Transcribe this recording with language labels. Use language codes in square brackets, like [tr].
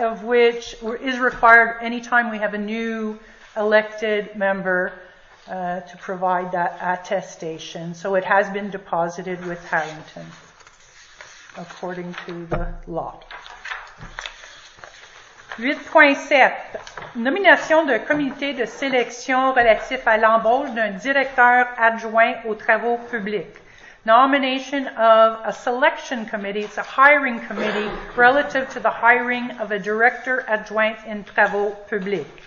[en] Of which is required anytime we have a new elected member to provide that attestation. So it has been deposited with Harrington, according to the law. 8.7. [fr] Nomination d'un comité de sélection relatif à l'embauche d'un directeur adjoint aux travaux publics. [en] Nomination of a selection committee, it's a hiring committee, relative to the hiring of a director adjoint in travaux publics.